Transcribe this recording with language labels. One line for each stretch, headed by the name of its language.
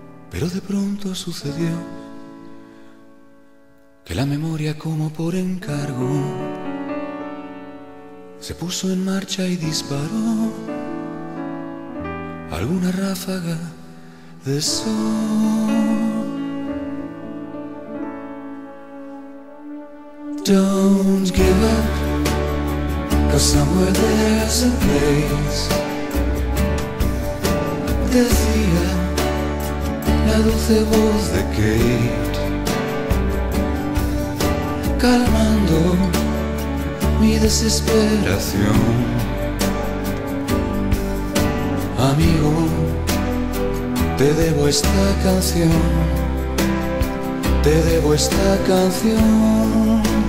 Spanish: Pero de pronto sucedió que la memoria, como por encargo, se puso en marcha y disparó alguna ráfaga de sol.
English: Don't give up, 'cause somewhere there's a place.
Spanish: Decía la dulce voz de Kate, calmando mi desesperación. Amigo, te debo esta canción, te debo esta canción.